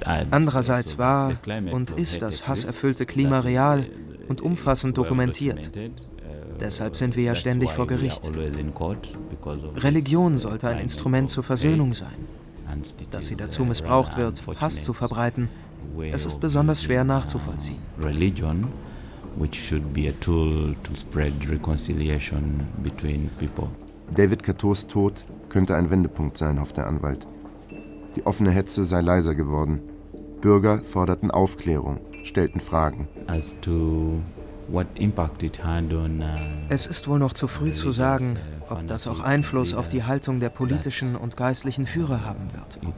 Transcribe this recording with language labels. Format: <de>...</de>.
<de>Andererseits war und ist das hasserfüllte Klima real und umfassend dokumentiert. Deshalb sind wir ja ständig vor Gericht. Religion sollte ein Instrument zur Versöhnung sein. Dass sie dazu missbraucht wird, Hass zu verbreiten, es ist besonders schwer nachzuvollziehen.</de> <en>Religion, which should be a tool to spread reconciliation between people.</en> <de>David Katos Tod könnte ein Wendepunkt sein, hofft der Anwalt. Die offene Hetze sei leiser geworden. Bürger forderten Aufklärung, stellten Fragen.</de> <en>As to what impact it had on,</en> <de>es ist wohl noch zu früh zu sagen, ob das auch Einfluss auf die Haltung der politischen und geistlichen Führer haben wird.</de>